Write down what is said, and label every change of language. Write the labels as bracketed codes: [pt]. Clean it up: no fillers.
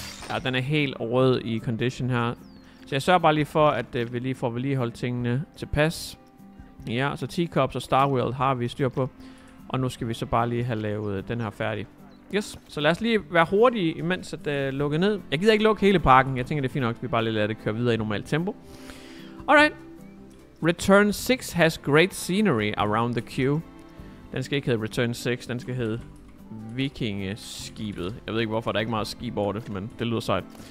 [da] Ja, den er helt rød i condition her. Så jeg sørger bare lige for, at vi lige får vedligeholdt tingene tilpas. Ja, så teacups og Star Wheel har vi styr på. Og nu skal vi så bare lige have lavet den her færdig. Yes, så lad os lige være hurtige, imens at lukke ned. Jeg gider ikke lukke hele parken. Jeg tænker, det er fint nok, at vi bare lige lader det køre videre i normalt tempo. [en] Alright. Return 6 has great scenery around the queue. [da] Den skal ikke hedde Return 6, den skal hedde... Vikingeskibet. Jeg ved ikke hvorfor, der er ikke meget skib over det, men det lyder sejt.